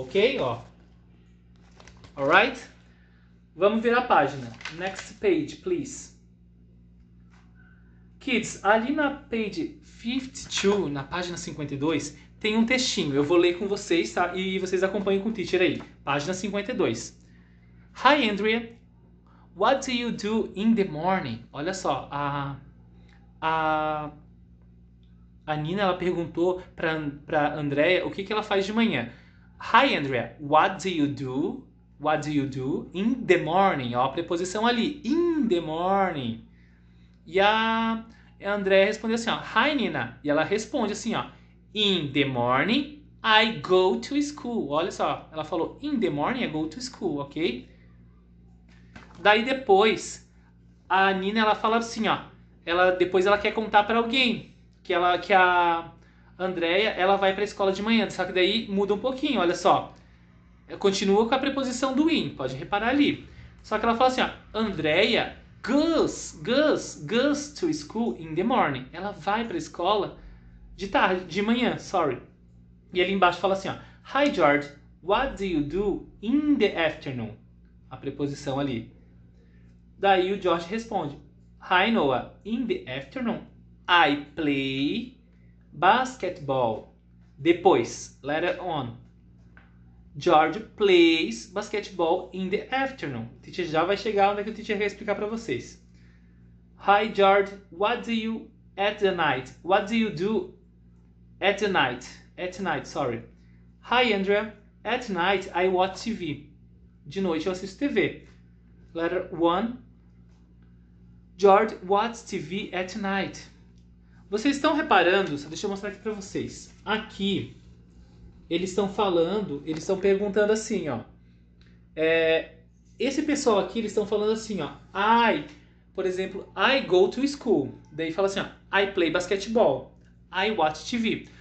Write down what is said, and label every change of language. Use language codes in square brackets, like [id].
[pt] Ok? Ó. Alright? Vamos ver a página. [en] Next page, please. [pt] Kids, ali na page 52, na página 52, tem um textinho. Eu vou ler com vocês, tá? E vocês acompanham com o teacher aí. Página 52. Hi, Andrea. [en] What do you do in the morning? [pt] Olha só, a Nina ela perguntou para Andrea o que que ela faz de manhã. [en] Hi, Andrea, what do you do in the morning? [pt] Ó, a preposição ali, [en] in the morning. [pt] E a Andrea respondeu assim, ó, Hi, Nina. E ela responde assim, ó, [en] in the morning I go to school. [pt] Olha só, ela falou [en] in the morning I go to school, [pt] ok? Daí depois a Nina ela fala assim, ó, depois ela quer contar para alguém que a Andrea ela vai para a escola de manhã, só que daí muda um pouquinho, olha só, continua com a preposição do in, pode reparar ali, só que ela fala assim, ó, [en] Andrea goes to school in the morning, [pt] ela vai para a escola de tarde, de manhã, sorry. E ali embaixo fala assim, ó, [en] Hi George, what do you do in the afternoon? [pt] A preposição ali. Daí o George responde, [en] Hi Noah, in the afternoon I play basketball. [pt] Depois, [en] letter on. George plays basketball in the afternoon. [pt] O teacher já vai chegar onde é que o teacher vai explicar para vocês. [en] Hi, George. What do you at the night? What do you do at the night? At night, sorry. Hi, Andrea. At night, I watch TV. [pt] De noite, eu assisto TV. [en] Letter 1. George watches TV at night. [pt] Vocês estão reparando? Só deixa eu mostrar aqui para vocês. Aqui, eles estão falando, eles estão perguntando assim, ó. Esse pessoal aqui, eles estão falando assim, ó. I, por exemplo, [en] I go to school. [pt] Daí fala assim, ó. [en] I play basketball. I watch TV.